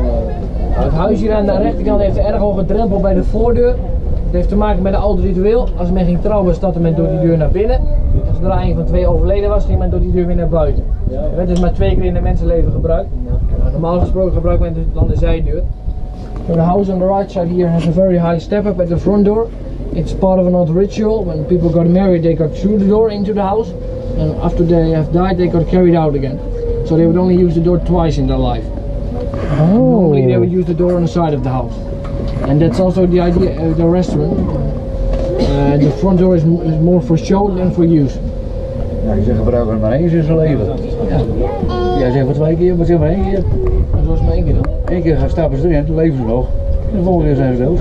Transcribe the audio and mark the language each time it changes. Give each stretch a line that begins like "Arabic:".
Dutch: Nou, het huis hier aan de rechterkant heeft een erg hoge drempel bij de voordeur. Het heeft te maken met een oud ritueel. Als men ging trouwen, stapte men door die deur naar binnen. Als er een van twee overleden was, ging men door die deur weer naar buiten. Er werd dus maar twee keer in het mensenleven gebruikt. Nou, normaal gesproken gebruikt men dan de zijdeur.
English: So the house on the right side here has a very high step up at the front door. It's part of an old ritual. When people got married, they got through the door into the house. And after they have died, they got carried out again. So they would only use the door twice in their life. Oh. Normally they would use the door on the side of the house. And that's also the idea of the restaurant. The front door is more for show than for use.
Dutch: Ja, je zegt gebruiken het maar eens in zijn leven. Ja. Ja, zeg maar twee keer, maar zeg maar één keer. En zoals maar één keer dan. Eén keer gaan stappen ze erin, dan leven ze nog. En de volgende keer zijn ze dood.